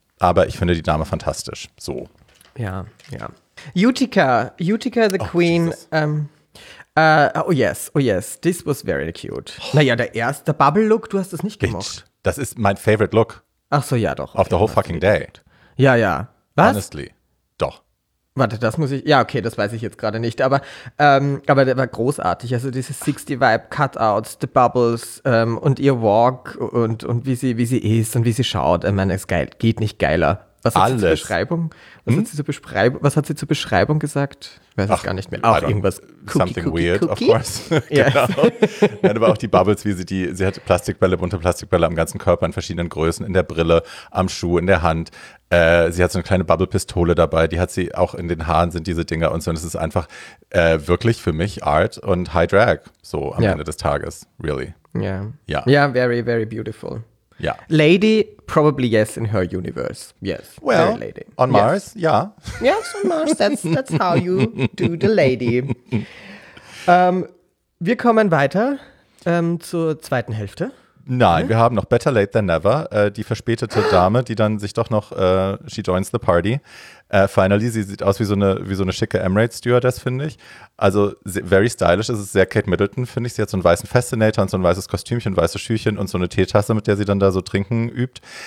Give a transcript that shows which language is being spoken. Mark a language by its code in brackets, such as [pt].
[de] Aber ich finde die Dame fantastisch, so. Ja, ja. Utica the Queen. [en] Oh yes, oh yes, this was very cute. [de] Naja, der erste Bubble-Look, du hast das nicht gemacht. [en] Bitch, [de] das ist mein favorite Look. Ach so, ja, doch. [en] Of the whole fucking day. [de] Ja, ja. Was? Honestly, doch. Warte, das muss ich, ja, okay, das weiß ich jetzt gerade nicht, aber der war großartig, also diese 60-Vibe-Cutouts, the Bubbles und ihr Walk und wie sie ist und wie sie schaut, ich meine, es geht nicht geiler. Was hat sie zur Beschreibung? Was hat sie zur Beschreibung gesagt? Weiß ich gar nicht mehr. Auch irgendwas. [en] Cookie, something cookie, weird, cookie? Of course. [de] Genau. Nein, aber auch die Bubbles, wie sie die. Sie hatte Plastikbälle, bunte Plastikbälle am ganzen Körper in verschiedenen Größen, in der Brille, am Schuh, in der Hand. Sie hat so eine kleine Bubble-Pistole dabei. Die hat sie auch in den Haaren, sind diese Dinger und so. Und es ist einfach wirklich für mich Art und High Drag. So am Ende des Tages, really. [en] Yeah, very, very beautiful. Yeah. Lady, probably yes in her universe. Yes. Well, very lady. On Mars, yeah. Yes, on Mars, that's how you do the lady. [de] Wir kommen weiter zur zweiten Hälfte. Nein, wir haben noch Better Late Than Never. Die verspätete Dame, die dann sich doch noch, [en] she joins the party. [de] Finally, sie sieht aus wie so eine schicke Emirates-Stewardess, finde ich. Also [en] very stylish, [de] es ist sehr Kate Middleton, finde ich. Sie hat so einen weißen Fascinator und so ein weißes Kostümchen, weiße Schüchen und so eine Teetasse, mit der sie dann da so trinken übt.